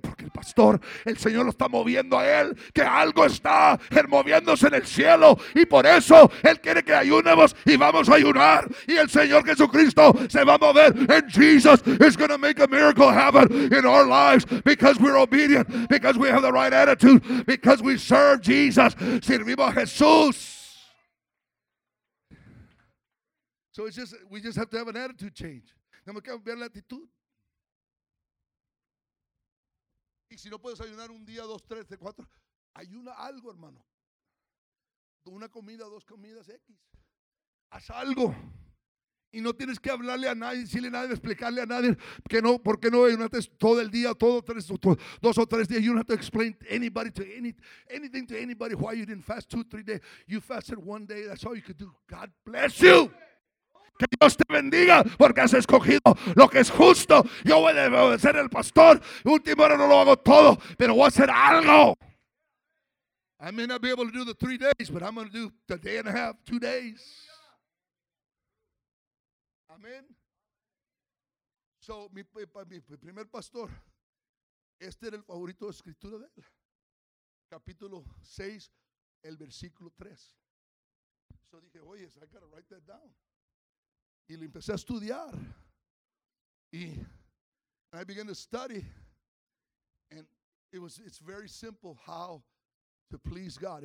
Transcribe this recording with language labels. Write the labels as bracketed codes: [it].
[es] Porque el pastor, el Señor lo está moviendo a él. Que algo está moviéndose en el cielo. Y por eso Él quiere que ayunemos y vamos a ayunar. Y el Señor Jesucristo se va a mover. [en] And Jesus is going to make a miracle happen in our lives. Because we're obedient. Because we have the right attitude. Because we serve Jesus. [es] Servimos a Jesús. [en] So it's just, we just have to have an attitude change. [es] Tenemos que cambiar la actitud. Y si no puedes ayunar un día, dos, tres, cuatro, ayuna algo, hermano. Una comida, dos comidas, X. Haz algo. Y no tienes que hablarle a nadie, decirle a nadie, explicarle a nadie que no, por qué no ayunaste todo el día, dos o tres días. [en] You don't have to explain anything to anybody why you didn't fast 2-3 days. You fasted one day, that's all you could do. God bless you. [es] Que Dios te bendiga porque has escogido lo que es justo. Yo voy a ser el pastor. Última hora no lo hago todo, pero voy a hacer algo. [en] I may not be able to do the 3 days, but I'm going to do the day and a half, 2 days. Amen. [es] So, mi primer pastor, este era el favorito de escritura de él. Capítulo 6, el versículo 3. So dije, oye, [en] I gotta write that down. [es] Y le empecé a estudiar. [en] Y I began to study. And it's very simple how to please God.